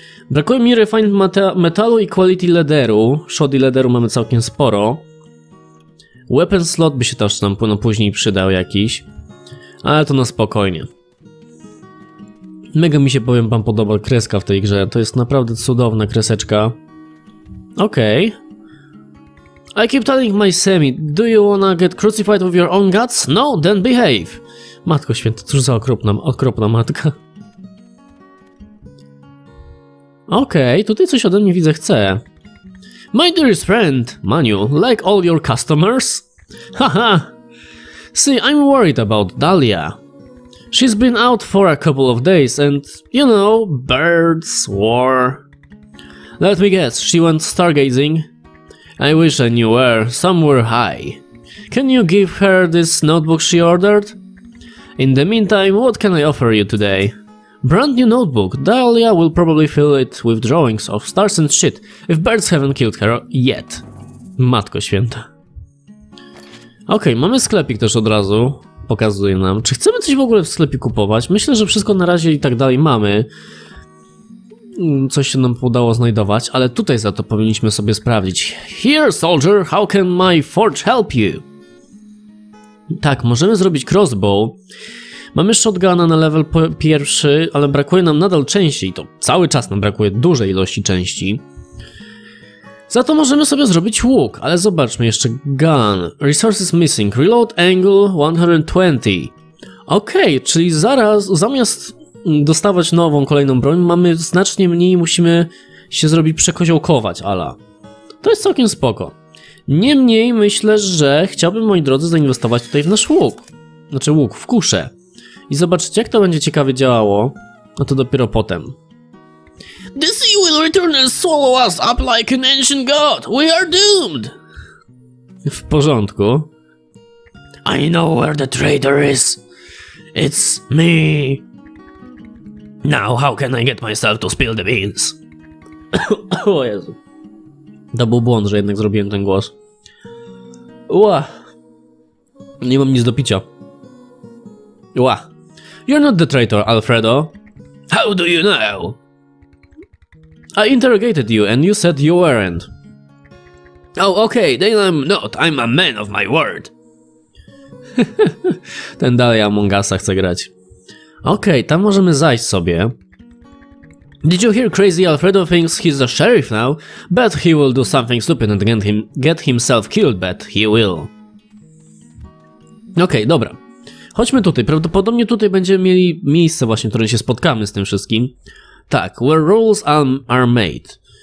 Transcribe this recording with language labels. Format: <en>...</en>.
<pl>Brakuje mi refined metalu i quality leatheru. Shoddy leatheru mamy całkiem sporo. Weapon slot by się też nam później przydał jakiś. Ale to na spokojnie. Mega mi się, powiem wam, podoba kreska w tej grze. To jest naprawdę cudowna kreseczka. Okej.</pl> <en>Okay. I keep telling my semi, do you wanna get crucified with your own guts? No, then behave.</en> <pl>Matko święta, cóż za okropna matka. Okej, tutaj coś ode mnie widzę chce.</pl> <en>My dearest friend, Manu, like all your customers? Haha! See, I'm worried about Dahlia. She's been out for a couple of days and, you know, birds, war. Let me guess, she went stargazing? I wish I knew where, somewhere high. Can you give her this notebook she ordered? In the meantime, what can I offer you today? Brand new notebook. Dahlia will probably fill it with drawings of stars and shit, if birds haven't killed her yet.</en> <pl>Matko święta. Okej, mamy sklepik też od razu. Pokazuje nam. Czy chcemy coś w ogóle w sklepie kupować? Myślę, że wszystko na razie i tak dalej mamy. Coś się nam udało znajdować, ale tutaj za to powinniśmy sobie sprawdzić.</pl> <en>Here, soldier, how can my forge help you?</en> <pl>Tak, możemy zrobić crossbow. Mamy shotguna na level pierwszy, ale brakuje nam nadal części. To cały czas nam brakuje dużej ilości części. Za to możemy sobie zrobić łuk, ale zobaczmy jeszcze.</pl> <en>Gun. Resources missing. Reload angle 120.</en> <pl>Okej, okay, czyli zaraz, zamiast dostawać nową, kolejną broń, mamy znacznie mniej, musimy się zrobić przekoziołkować, ala. To jest całkiem spoko. Niemniej myślę, że chciałbym, moi drodzy, zainwestować tutaj w nasz łuk. Znaczy łuk, w kuszę. I zobaczyć, jak to będzie ciekawie działało, a to dopiero potem.</pl> <en>The sea will return and swallow us up like an ancient god. We are doomed.</en> <pl>W porządku.</pl> <en>I know where the traitor is. It's me. Now, how can I get myself to spill the beans? O Jezu. To był błąd, że jednak zrobiłem ten głos. Ła. Nie mam nic do picia. Ła. You're not the traitor, Alfredo. How do you know? I interrogated you and you said you weren't. Oh, okay, then I'm not. I'm a man of my word.</en> <pl>Ten dalej Among Usa chce grać. Okej, okay, tam możemy zajść sobie.</pl> <en>Did you hear Crazy Alfredo thinks he's the sheriff now? Bet he will do something stupid and get himself killed, bet he will.</en> <pl>Okej, dobra. Chodźmy tutaj. Prawdopodobnie tutaj będziemy mieli miejsce właśnie, w którym się spotkamy z tym wszystkim. Tak,</pl> <en>where rules are made.</en>